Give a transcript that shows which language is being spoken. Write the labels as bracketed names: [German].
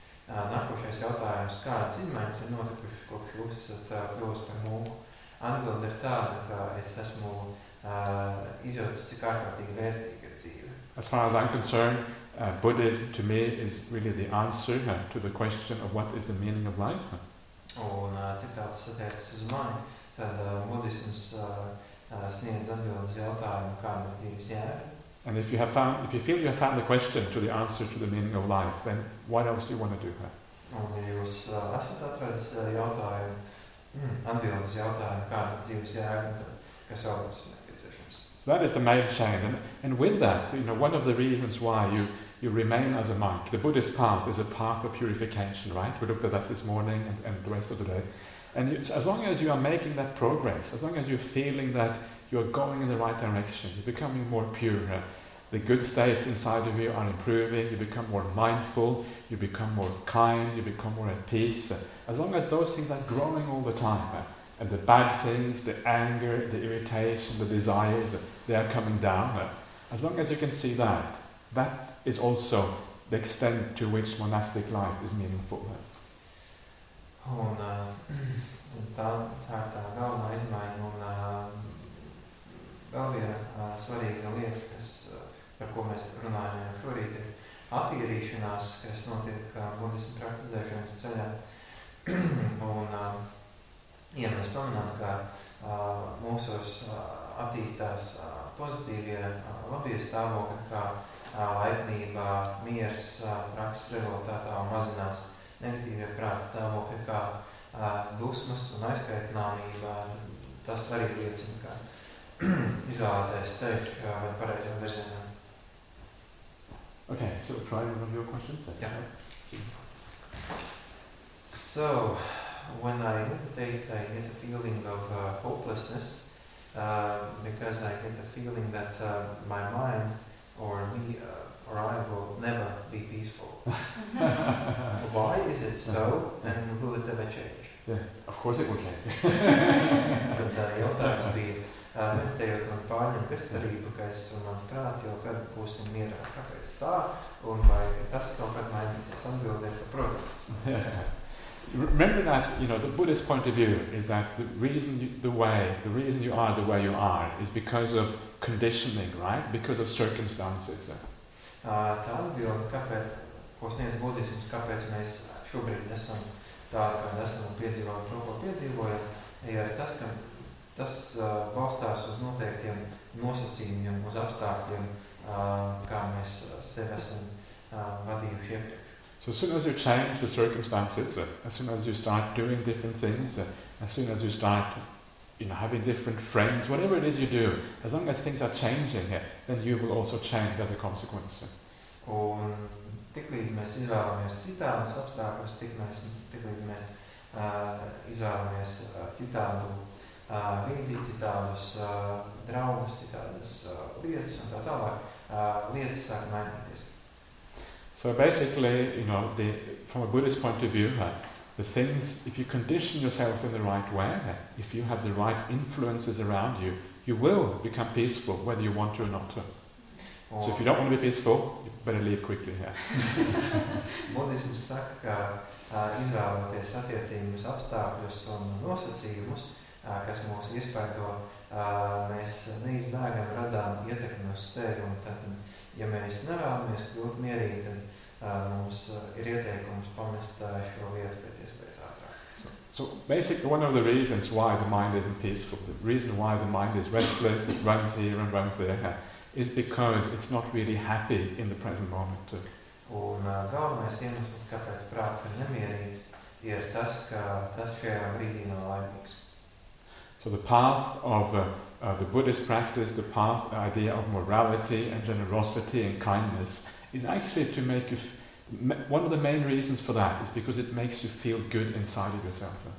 [Latvian] Nākošais jautājums, kādas izmaiņas ir notikušas kopš jūs esat kļuvusi par monku? Atbilde ir tāda, ka es esmu izjūtis, cik ārkārtīgi vērtīga ir dzīve. [English] As far as I'm concerned, Buddhism to me is really the answer to the question of what is the meaning of life. [Latvian] Un cik tā tas attiecas uz mani, tad buddhisms sniedz atbildes jautājumu, kāda ir dzīves jēga. [English] And if you have found, if you feel you have found the question to the answer to the meaning of life, then what else do you want to do? [Latvian] Un ja jūs esat atradis jautājumu, atbildes jautājumu, kāda ir dzīves jēga, tad kas vēl mums ir nepieciešams? [English] So that is the main change. And with that, you know, one of the reasons why you remain as a monk. The Buddhist path is a path of purification, right? We looked at that this morning and the rest of the day. And you, so as long as you are making that progress, as long as you're feeling that you're going in the right direction, you're becoming more pure, the good states inside of you are improving, you become more mindful, you become more kind, you become more at peace. As long as those things are growing all the time, and the bad things, the anger, the irritation, the desires, they are coming down, as long as you can see that is also the extent to which monastic life is meaningful. [Latvian] Un tā ir tā galvenā izmaiņa, un vēl viena svarīga lieta, kas, par ko mēs runājam šorīt, ir attīrīšanās, kas notiek buddhismu praktizēšanas ceļā. Un, ja mēs pamanām, ka mūsos attīstās pozitīvie, labie stāvokļi, kā laipnība, miers, prakses rezultātā un mazinās negatīvie prāta stāvokļi, kā dusmas un aizkaitināmība, tas arī liecina, ka izvēlētais ceļš vai pareizam virzienam. [English] Okay, so try one of your questions. Yeah. So, when I meditate, I get a feeling of hopelessness because I get a feeling that my mind or me or I will never be peaceful. Why is it so, and will it ever change? Yeah, of course it will change. But [Latvian] jautājums bija, meditējot man pārņem bezcerību, ka es un mans prāts jau kad būsim mierā, kāpēc tā, un vai tas kaut kad mainīsies atbildēt, ka protams. [English] Remember that, you know, the Buddhist point of view is that the reason you are the way you are is because of conditioning, right? Because of circumstances. [Latvian] Tā atbilde, kāpēc, ko sniedz buddhisms, kāpēc mēs šobrīd esam tā, kā esam piedzīvojami, to, ko piedzīvojam, ir tas, ka tas balstās uz noteiktiem nosacījumiem, uz apstākļiem, kā mēs sevi esam vadījuši iepriekš. [English] So as soon as you change the circumstances, as soon as you start doing different things, as soon as you start, you know, having different friends, whatever it is you do, as long as things are changing, then you will also change as a consequence. [Latvian] Un tiklīdz mēs izvēlamies citādus apstākļus, tiklīdz mēs izvēlamies citādu vidi, citādus draugus, citādas lietas un tā tālāk, lietas sāk mainīties. [English] So basically, you know, from a Buddhist point of view, the things, if you condition yourself in the right way, if you have the right influences around you, you will become peaceful whether you want to or not to. So if you don't want to be peaceful, you better leave quickly here. Buddhists say that [Latvian] izvēloties attiecības apstākļus un nosacījumus, kas mūs iespaido, mēs neizbēgam radām ietekmi uz sevi, un tad, ja mēs nevēlamies kļūt mierīgi, tad mums ir ieteikums pamest šo lietu pēc iespējas ātrāk. [English] So basically one of the reasons why the mind isn't peaceful, the reason why the mind is restless, it runs here and runs there, is because it's not really happy in the present moment too. [Latvian] Un galvenais iemesls, kāpēc prāts ir nemierīgs, ir tas, ka tas šajā brīdī nav laimīgs. [English] So the path of the Buddhist practice, the path, the idea of morality and generosity and kindness is actually to make you, one of the main reasons for that is because it makes you feel good inside of yourself.